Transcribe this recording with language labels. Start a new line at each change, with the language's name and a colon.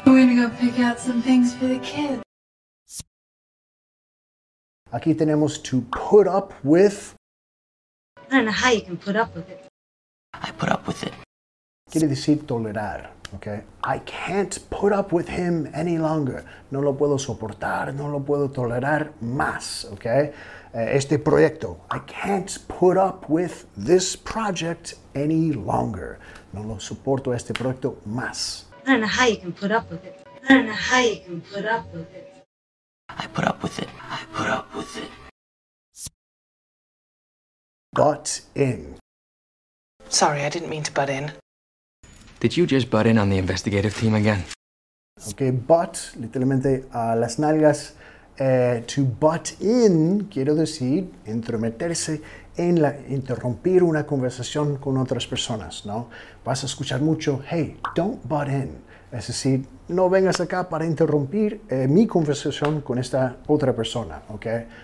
English: I'm gonna go pick out some things for the kids.
Spanish: Aquí tenemos
English: to put up with. I don't know how you can put up with it. I put up with it.
Spanish: Quiere decir tolerar, okay?
English: I can't put up with him any longer.
Spanish: No lo puedo soportar, no lo puedo tolerar más, okay? Este proyecto.
English: I can't put up with this project any longer.
Spanish: No lo soporto este proyecto más.
English: I don't know how you can put up with it. I don't know how you can put up with it. I put up with it. I put up with it. Butt in. Sorry, I didn't mean to butt in. Did you just butt in on the investigative team again?
Spanish: Okay, butt, literalmente a las nalgas. To butt in, quiero decir, entrometerse en la, interrumpir una conversación con otras personas, ¿no? Vas a escuchar mucho,
English: hey, don't butt in.
Spanish: Es decir, no vengas acá para interrumpir mi conversación con esta otra persona, okay?